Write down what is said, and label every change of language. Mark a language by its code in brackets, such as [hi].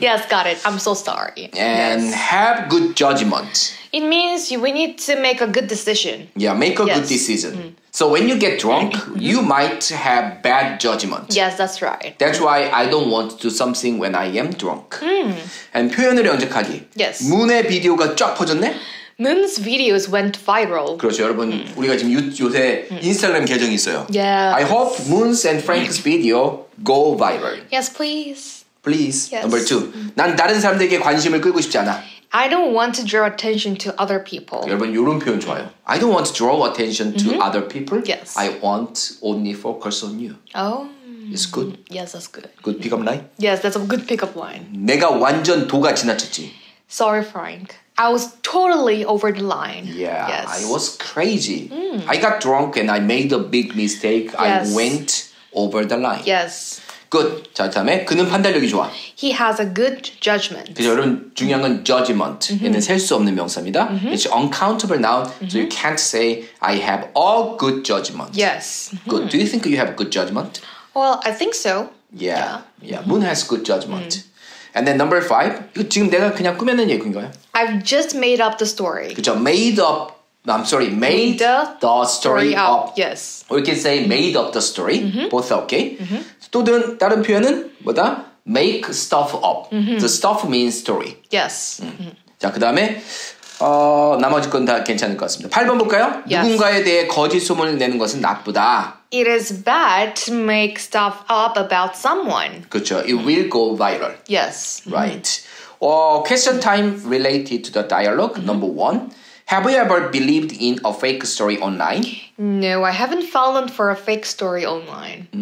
[en] Yes, got it. I'm so sorry. And have good judgment. It means we need to make a good decision. Yeah, make a good decision. Mm. So when you get drunk, you might have bad judgment. Yes, that's right. That's why I don't want to do something when I am drunk. [ko] And 표현을 연습하기. [en] Yes. [ko] 문의 비디오가 쫙 퍼졌네? [en] Moon's videos went viral. [ko] 그렇죠, 여러분. 우리가 지금 요새 인스타그램 계정이 있어요. [en] Yeah. I hope Moon's and Frank's video go viral. Yes, please. Please. Yes. Number two. [ko] 난 다른 사람들에게 관심을 끌고 싶지 않아. [en] I don't want to draw attention to other people. [ko] 여러분, 이런 표현 좋아요. [en] I don't want to draw attention to other people. Yes. I want only focus on you. Oh. It's good. Yes, that's good. Good pickup line? Yes, that's a good pickup line. [ko] 내가 완전 도가 지나쳤지. [en] Sorry, Frank. I was totally over the line. Yeah, yes. I was crazy. I got drunk and I made a big mistake. Yes. I went over the line. Yes. Good. [ko] 자, 다음에 그는 판단력이 좋아. [en] He has a good judgment. [ko] 그래서 여러분, 중요한 건 judgment. 얘는 셀 수 없는 명사입니다. [en] It's uncountable noun, so you can't say I have a good judgment. Yes. Good. Do you think you have a good judgment? Well, I think so. Yeah. Moon has good judgment. And then number 5, [ko] 이거 지금 내가 그냥 꾸며낸 얘기인가요? [en] I've just made up the story. [ko] 그쵸, [en] made up, I'm sorry, made the story up. Yes. Or you can say made up the story, both are okay. Mm-hmm. [ko] 또 다른 표현은 뭐다? [en] Make stuff up. Mm-hmm. The stuff means story. Yes. [ko] 자, 그 다음에 나머지 건 다 괜찮을 것 같습니다. 8번 볼까요? [en] Yes. [ko] 누군가에 대해 거짓 소문을 내는 것은 나쁘다. [en] It is bad to make stuff up about someone. [ko] 그렇죠. [en] It will go viral. Yes. Right. Question time related to the dialogue. Number one. Have you ever believed in a fake story online? No, I haven't fallen for a fake story online.